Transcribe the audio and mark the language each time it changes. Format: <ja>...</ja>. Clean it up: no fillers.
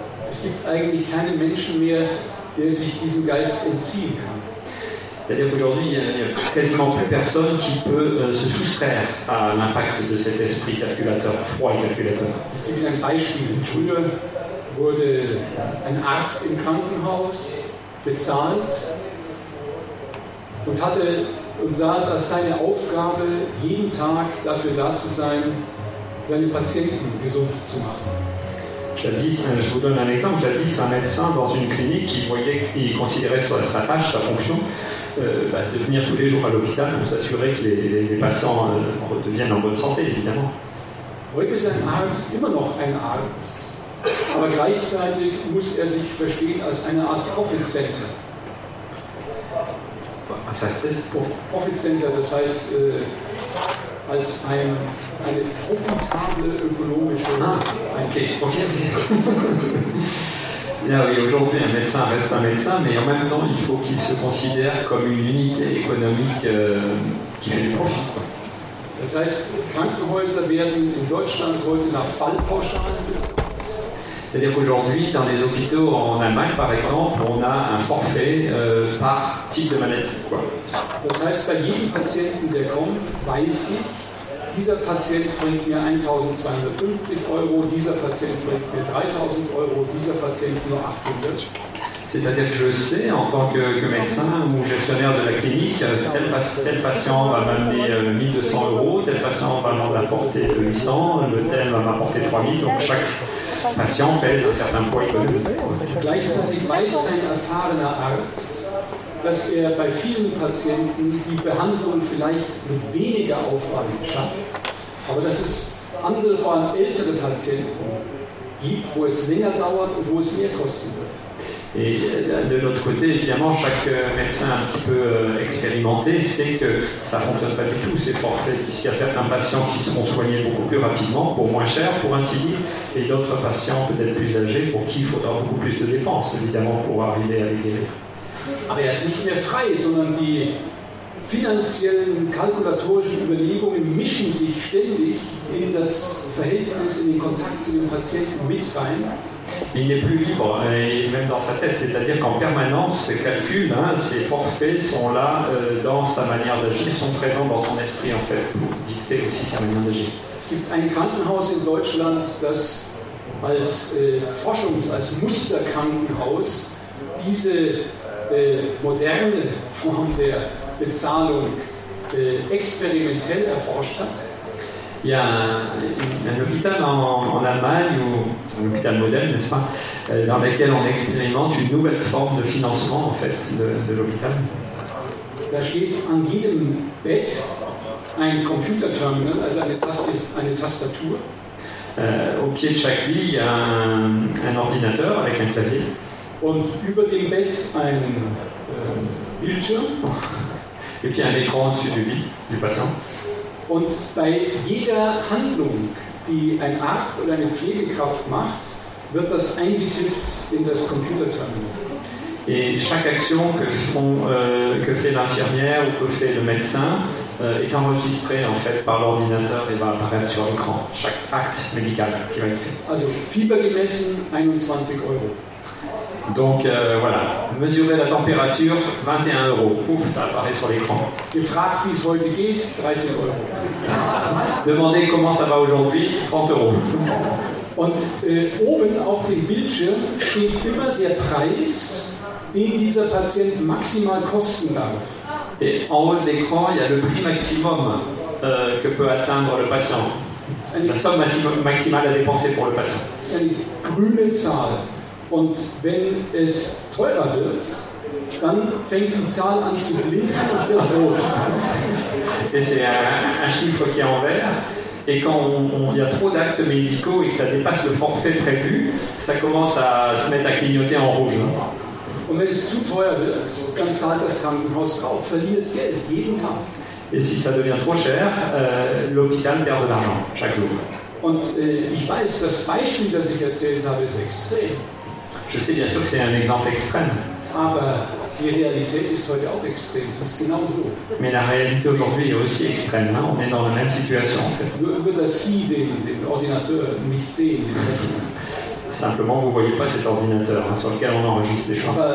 <de>Es gibt eigentlich keinen Menschen mehr, der sich diesem Geist entziehen kann.</de> <fr>C'est-à-dire qu'aujourd'hui, il n'y a quasiment plus personne qui peut se soustraire à l'impact de cet esprit calculateur, froid calculateur. Je vous donne un exemple.</fr> <de>Früher wurde ein Arzt im Krankenhaus bezahlt und hatte und sah es als seine Aufgabe, jeden Tag dafür da zu sein, seine Patienten gesund zu machen. Jadis, je vous donne un exemple. Jadis, un médecin dans une clinique qui voyait, qui considérait sa tâche, sa fonction, de venir tous les jours à l'hôpital pour s'assurer que les patients deviennent en bonne santé, évidemment. Heute ist ein Arzt immer noch ein Arzt, aber gleichzeitig muss sich verstehen als eine Art Profitcenter. Was heißt das? Profitcenter, das heißt als eine profitable ökologische. Ah, okay.</de> <fr>Ah oui, aujourd'hui, un médecin reste un médecin, mais en même temps, il faut qu'il se considère comme une unité économique qui fait du profit.</fr> <de>Das heißt, Krankenhäuser werden in Deutschland heute nach Fallpauschalen bezahlt.</de> <fr>C'est-à-dire qu'aujourd'hui, dans les hôpitaux en Allemagne, par exemple, on a un forfait par type de maladie. Quoi.</fr> <de>Das heißt, bei jedem Patienten, der kommt, weiß ich, dieser Patient bringt mir 1250 Euro, dieser Patient bringt mir 3000 Euro, dieser Patient nur 800.</de> <fr>C'est-à-dire que je sais, en tant que médecin ou gestionnaire de la clinique, tel patient va m'amener 1200 euros, tel patient va m'en apporter 800, le tel va m'apporter 3000, donc chaque patient pèse un certain poids économique.</fr> <de>Gleichzeitig weiß ein erfahrener Arzt, dass bei vielen Patienten die Behandlung vielleicht mit weniger Aufwand schafft, aber dass es andere, vor allem ältere Patienten gibt, wo es länger dauert und wo es mehr kosten wird.</de> <fr>Et de l'autre côté, évidemment, chaque médecin un petit peu expérimenté sait que ça ne fonctionne pas du tout, ces forfaits, puisqu'il y a certains patients qui seront soignés beaucoup plus rapidement, pour moins cher, pour ainsi dire, et d'autres patients peut-être plus âgés, pour qui il faudra beaucoup plus de dépenses, évidemment, pour arriver à les guérir.</fr> <de>Aber er ist nicht mehr frei, sondern die finanziellen, kalkulatorischen Überlegungen mischen sich ständig in das Verhältnis, in den Kontakt zu dem Patienten mit rein.</de> <fr>Il n'est plus libre, et même dans sa tête, c'est-à-dire qu'en permanence, ses calculs, hein, ses forfaits sont là dans sa manière d'agir, sont présents dans son esprit, en fait, pour dicter aussi sa manière d'agir.</fr> <de>Es gibt ein Krankenhaus in Deutschland, das als Forschungs-, als Musterkrankenhaus diese moderne Form der Bezahlung experimentell erforscht hat.</de> <fr>Il y a un hôpital en Allemagne, ou un hôpital modèle, n'est-ce pas, dans lequel on expérimente une nouvelle forme de financement, en fait, de l'hôpital.</fr> <de>Da steht an jedem Bett ein Computerterminal, also eine Tastatur.</de> <fr>Au pied de chaque lit, il y a un ordinateur avec un clavier.</fr> <de>Und über dem Bett ein Bildschirm.</de> <fr>Et puis un écran au-dessus du lit, du patient.</fr> <de>Und bei jeder Handlung, die ein Arzt oder eine Pflegekraft macht, wird das eingetippt in das Computerterminal.</de> <fr>Et chaque action que fait l'infirmière ou que fait le médecin est enregistrée en fait par l'ordinateur et va apparaître sur l'écran. Chaque acte médical qui va être fait.</fr> <de>Also Fieber gemessen 21 Euro.</de> <fr>Donc voilà, mesurer la température 21 euros. Pouf, ça apparaît sur l'écran.</fr> <de>Gefragt, wie es heute geht, 30 Euro.</de> <fr>Demandez comment ça va aujourd'hui, 30 euros.</fr> <de>Und oben auf dem Bildschirm steht immer der Preis, den dieser Patient maximal kosten darf.</de> <fr>Et en haut de l'écran, il y a le prix maximum que peut atteindre le patient. La somme maximale à dépenser pour le patient. C'est une</fr> <de>grüne Zahl. Und wenn es teurer wird, dann fängt die Zahl an zu blinken und wird rot.</de> <fr>Et c'est un chiffre qui est en vert. Et quand il y a trop d'actes médicaux et que ça dépasse le forfait prévu, ça commence à se mettre à clignoter en rouge.</fr> <de>Und wenn es zu teuer wird, dann zahlt das Krankenhaus drauf, verliert Geld jeden Tag.</de> <fr>Et si ça devient trop cher, l'hôpital perd de l'argent chaque jour.</fr> <de>Und ich weiß, das Beispiel, das ich erzählt habe, ist extrem.</de> <fr>Je sais bien sûr que c'est un exemple extrême. Ah ben,</fr> <de>die Realität ist heute auch extrem. Das ist genau so.</de> <fr>Mais la réalité aujourd'hui est aussi extrême. Hein? On est dans la même situation en fait.</fr> <de>Über das Sie den Ordinateur nicht sehen.</de> <fr>Simplement, vous ne voyez pas cet ordinateur hein, sur lequel on enregistre les choses.</fr>